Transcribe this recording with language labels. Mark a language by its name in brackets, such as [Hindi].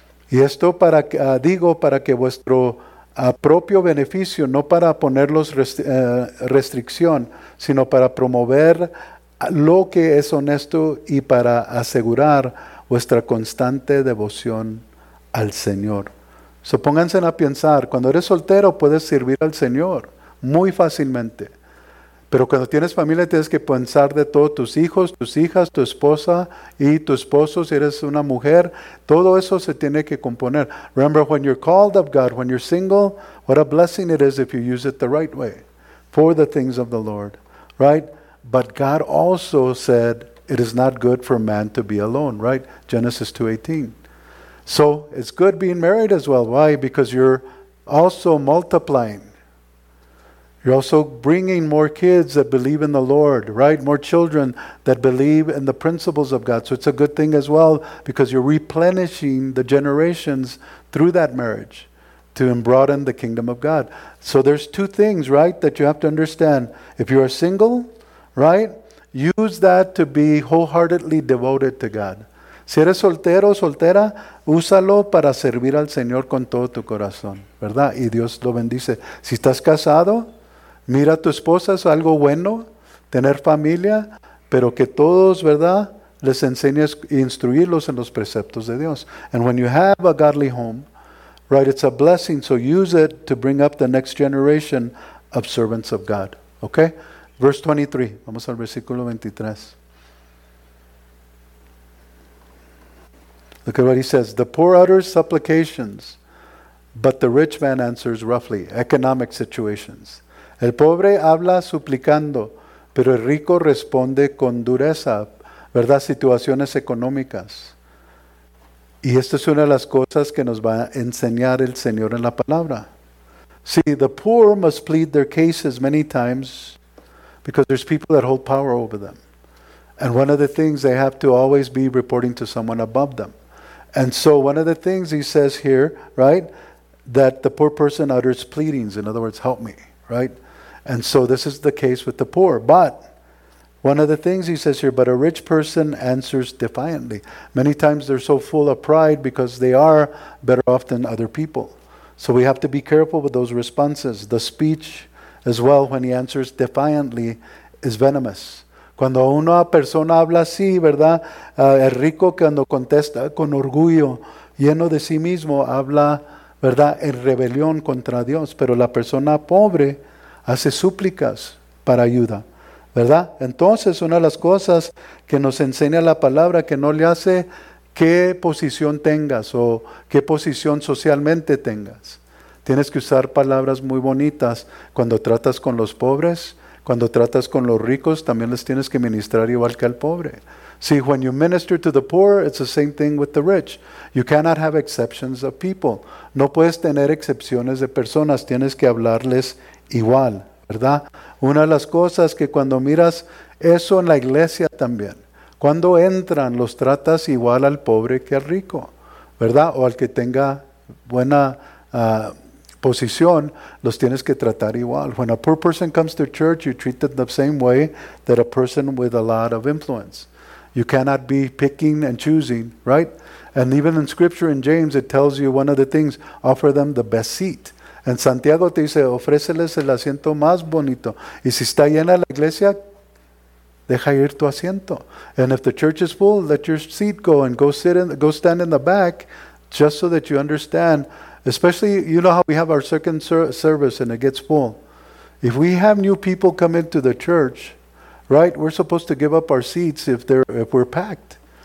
[Spanish] Y esto para que vuestro propio beneficio, no para ponerlos restricción, sino para promover lo que es honesto y para asegurar vuestra constante devoción al Señor. So, pónganse a pensar, cuando eres soltero puedes servir al Señor muy fácilmente. Pero cuando tienes familia tienes que pensar de todos tus hijos, tus hijas, tu esposa y tu esposo si eres una mujer. Todo eso se tiene que componer. [English] Remember, when you're called of God, when you're single, what a blessing it is if you use it the right way for the things of the Lord, right? But God also said it is not good for man to be alone, right? Genesis 2:18. So it's good being married as well. Why? Because you're also multiplying. You're also bringing more kids that believe in the Lord, right? More children that believe in the principles of God. So it's a good thing as well because you're replenishing the generations through that marriage to broaden the kingdom of God. So there's two things, right, that you have to understand. If you are single, right, use that to be wholeheartedly devoted to God. [Spanish] Si eres soltero o soltera, úsalo para servir al Señor con todo tu corazón, ¿verdad? Y Dios lo bendice. Si estás casado, mira a tu esposa, es algo bueno tener familia, pero que todos, ¿verdad?, les enseñes e instruirlos en los preceptos de Dios. [English] And when you have a godly home, right, it's a blessing, so use it to bring up the next generation of servants of God. Okay? Verse 23, [Spanish] vamos al versículo 23. [English] Look at what he says. The poor utters supplications, but the rich man answers roughly. Economic situations. [Spanish] El pobre habla suplicando, pero el rico responde con dureza, ¿verdad? Situaciones económicas. Y esta es una de las cosas que nos va a enseñar el Señor en la palabra. [English] See, the poor must plead their cases many times because there's people that hold power over them. And one of the things, they have to always be reporting to someone above them. And so one of the things he says here, right, that the poor person utters pleadings. In other words, help me, right? And so this is the case with the poor. But one of the things he says here, but a rich person answers defiantly. Many times they're so full of pride because they are better off than other people. So we have to be careful with those responses. The speech as well, when he answers defiantly, is venomous. [Spanish] Cuando una persona habla así, ¿verdad? El rico cuando contesta con orgullo, lleno de sí mismo, habla, ¿verdad?, en rebelión contra Dios. Pero la persona pobre hace súplicas para ayuda, ¿verdad? Entonces, una de las cosas que nos enseña la palabra, que no le hace qué posición tengas o qué posición socialmente tengas. Tienes que usar palabras muy bonitas cuando tratas con los pobres. Cuando tratas con los ricos, también les tienes que ministrar igual que al pobre. [English] See, when you minister to the poor, it's the same thing with the rich. You cannot have exceptions of people. [Spanish] No puedes tener excepciones de personas, tienes que hablarles igual, ¿verdad? Una de las cosas que cuando miras eso en la iglesia también, cuando entran, los tratas igual al pobre que al rico, ¿verdad? O al que tenga buena posición, los tienes que tratar igual. [English] When a poor person comes to church, you treat them the same way that a person with a lot of influence. You cannot be picking and choosing, right? And even in scripture in James, it tells you one of the things, offer them the best seat. [Spanish] And Santiago te dice, ofréceles el asiento más bonito. Y si está llena la iglesia, Deja ir tu asiento. [English] And if the church is full, let your seat go and go stand in the back, just so that you understand. Especially, you know how we have our second service and it gets full. If we have new people come into the church, right, we're supposed to give up our seats if we're packed.